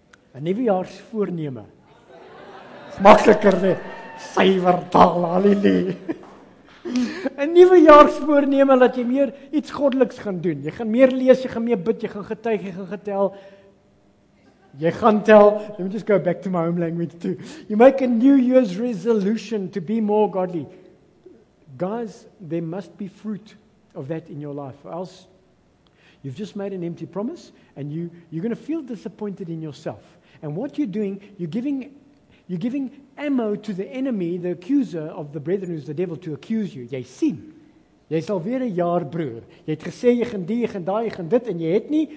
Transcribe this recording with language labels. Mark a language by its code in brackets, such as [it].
[af] Een nuwejaars voorneme. Makliker, nee. Suiwer taal, halleluja. Een nuwejaars voorneme dat jy meer iets goddeliks gaan doen. Jy gaan meer lees, jy gaan meer bid, jy gaan getuig, jy gaan getel. Jy gaan tel. [en] Let me just go back to my home language too. You make a New Year's resolution to be more godly. Guys, there must be fruit of that in your life, or else you've just made an empty promise and you're going to feel disappointed in yourself. And what you're doing, you're giving ammo to the enemy, the accuser of the brethren, who's the devil, to accuse you. [af] Jy sien, jy sal weer 'n jaar broer. Jy het gesê jy gaan die, jy gaan daai, jy gaan dit en jy het nie.